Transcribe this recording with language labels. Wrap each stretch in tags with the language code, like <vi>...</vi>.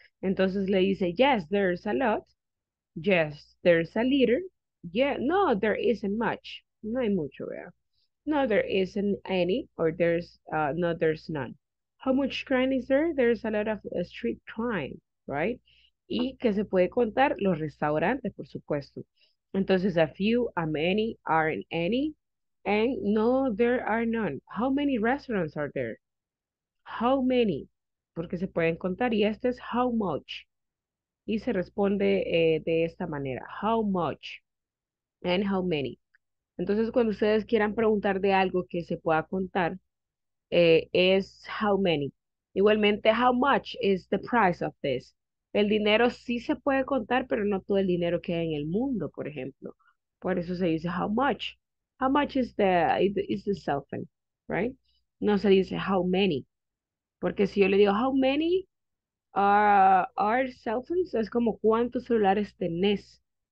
<es>Entonces le dice,</es> <en>yes, there's a lot. Yes, there's a little. Yeah, no, there isn't much.</en> <es>No hay mucho, ¿verdad?</es> <en>No, there isn't any. Or there's, no, there's none. How much crime is there? There's a lot of street crime, right?</en> <es>¿Y qué se puede contar? Los restaurantes, por supuesto.</es> <en>Entonces, a few, a many, aren't any, and no, there are none. How many restaurants are there? How many?</en> <es>Porque se pueden contar, y este es</es> <en>how much.</en> <es>Y se responde de esta manera,</es> <en>how much and how many.</en> <es>Entonces, cuando ustedes quieran preguntar de algo que se pueda contar, es</es> <en>how many.</en> <es>Igualmente, how much is the price of this? El dinero sí se puede contar, pero no todo el dinero que hay en el mundo, por ejemplo. Por eso se dice</es> <en>how much. How much is the cell phone, right?</en> <es>No se dice</es> <en>how many.</en> <es>Porque si yo le digo</es> <en>how many are cell phones,</en> <es>es como cuántos celulares tenés.</es>